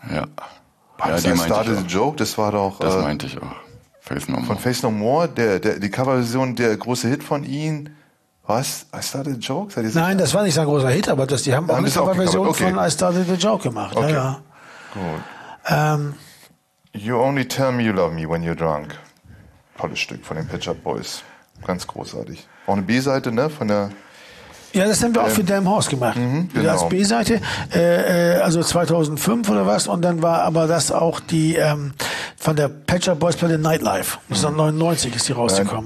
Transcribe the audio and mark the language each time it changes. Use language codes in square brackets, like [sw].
[de] Ja. Die Started the Joke, das war doch. Das meinte ich auch. Faith No More. Von Faith No More, die Coverversion, der große Hit von ihnen. Was? I Started a Joke? Nein, sicher? Das war nicht so ein großer Hit, aber die haben auch eine Coverversion von I Started a Joke gemacht. Okay. Ja. Gut. [en] You only tell me you love me when you're drunk. [de] Tolles Stück von den Pet Shop Boys. Ganz großartig. Auch eine B-Seite, ne? Von der. Ja, das haben wir auch für Damn Horse gemacht. Mhm, genau. Als B-Seite, also 2005 oder was. Und dann war aber das auch die von der Pet Shop Boys Platte Nightlife. Das ist dann 99 ist die rausgekommen.